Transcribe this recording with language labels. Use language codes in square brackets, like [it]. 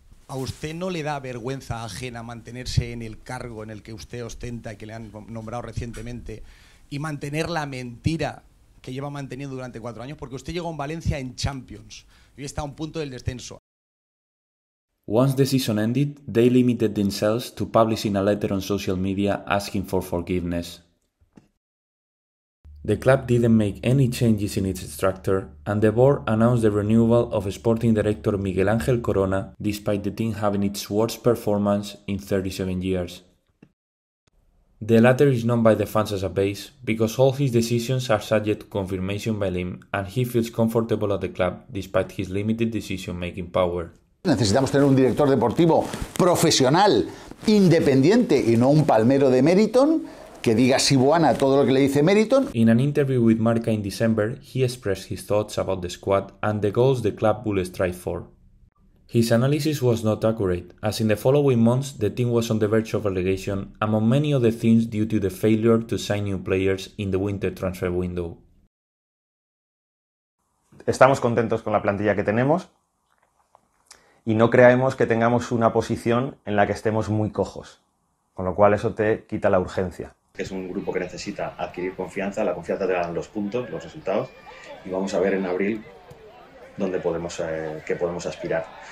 [es] ¿A usted no le da vergüenza ajena mantenerse en el cargo en el que usted ostenta y que le han nombrado recientemente y mantener la mentira que lleva manteniendo durante 4 años? Porque usted llegó en Valencia en Champions y está a un punto del descenso. [en] Once the season ended, they limited themselves to publishing a letter on social media asking for forgiveness. The club didn't make any changes in its structure, and the board announced the renewal of sporting director Miguel Ángel Corona, despite the team having its worst performance in 37 years. The latter is known by the fans as a base, because all his decisions are subject to confirmation by Lim, and he feels comfortable at the club, despite his limited decision-making power. [es] Necesitamos tener un director deportivo profesional, independiente, y no un palmero de Meriton, que diga Sibuana todo lo que le dice Meriton. [en] In an interview with Marca in December, he expressed his thoughts about the squad and the goals the club will strive for. His analysis was not accurate, as in the following months the team was on the verge of relegation, among many other things due to the failure to sign new players in the winter transfer window. [es] Estamos contentos con la plantilla que tenemos y no creemos que tengamos una posición en la que estemos muy cojos, con lo cual eso te quita la urgencia. Es un grupo que necesita adquirir confianza, la confianza te dan los puntos, los resultados, y vamos a ver en abril dónde podemos, qué podemos aspirar.